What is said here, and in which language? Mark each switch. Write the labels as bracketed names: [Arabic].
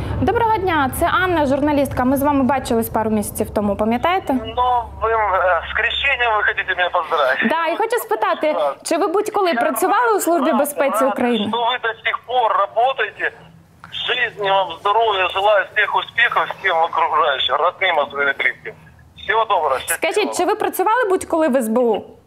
[Ukrainian] Доброго дня, це Анна, журналістка. Ми з вами бачились пару місяців тому, пам'ятаєте? Ну, ви з хрещенням, ви хочете мене поздравити. Да, і хочу спитати, чи ви будь-коли працювали у Службі безпеки України? Ну, ви до сих пор працюєте. [Russian] Жизни вам, здоровья, желаю всех успехов всем окружающим, родным от своих близких. Всего доброго. Счастливо. [Ukrainian] Скажите, чи ви працювали будь-коли в СБУ?